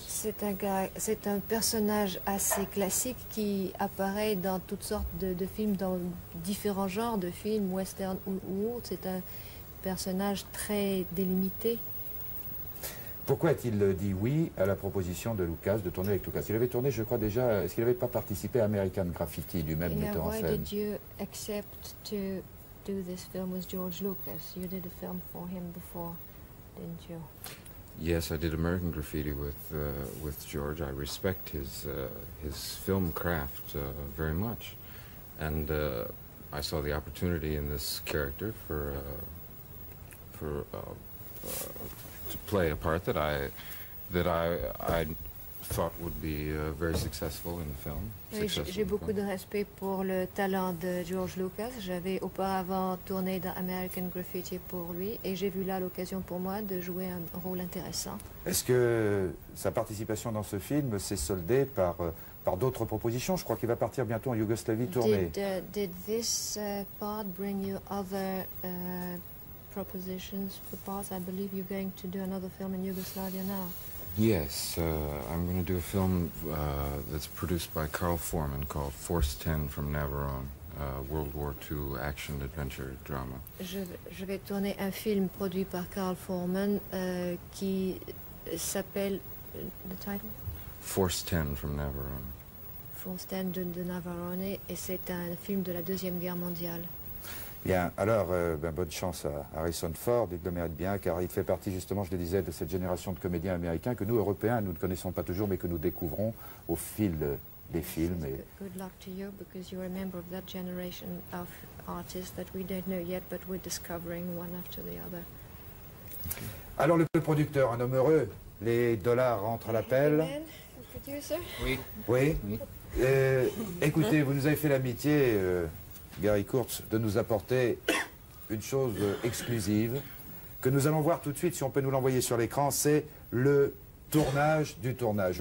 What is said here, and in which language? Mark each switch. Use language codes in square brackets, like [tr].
[fr] C'est un personnage assez classique qui apparaît dans toutes sortes de films, dans différents genres de films, western ou autre. C'est un personnage très délimité. Pourquoi a-t-il dit oui à la proposition de Lucas, de tourner avec Lucas? Il avait tourné, je crois déjà, est-ce qu'il n'avait pas participé à American Graffiti, lui-même metteur en scène? [en] Why did you accept to do this film with George Lucas? You did a film for him before, didn't you? Yes, I did American Graffiti with George. I respect his film craft very much, and I saw the opportunity in this character to play a part that I thought would be very successful in the film. [fr] J'ai beaucoup de respect pour le talent de George Lucas. J'avais auparavant tourné dans American Graffiti pour lui et j'ai vu là l'occasion pour moi de jouer un rôle intéressant. Est-ce que sa participation dans ce film s'est soldée par d'autres propositions? Je crois qu'il va partir bientôt en Yougoslavie tourner. [en] Did this part bring you other propositions for parts? I believe you're going to do another film in Yugoslavia now. Yes, I'm going to do a film that's produced by Carl Foreman called Force 10 from Navarone, World War II action adventure drama. [fr] Je vais tourner un film produit par Carl Foreman qui s'appelle [en] the title Force 10 from Navarone. [fr] Force 10 de Navarone, et c'est un film de la Deuxième Guerre mondiale. Bien, alors, bonne chance à Harrison Ford, il le mérite bien, car il fait partie, justement, je le disais, de cette génération de comédiens américains que nous, Européens, nous ne connaissons pas toujours, mais que nous découvrons au fil des films. Et... [en] Good luck to you, because you are a member of that generation of artists that we don't know yet, but we're discovering one after the other. Okay. [fr] Alors, le producteur, un homme heureux, les dollars rentrent à l'appel. Oui. Oui. Écoutez, vous nous avez fait l'amitié... Gary Kurtz, de nous apporter une chose exclusive que nous allons voir tout de suite, si on peut nous l'envoyer sur l'écran, c'est le tournage du tournage.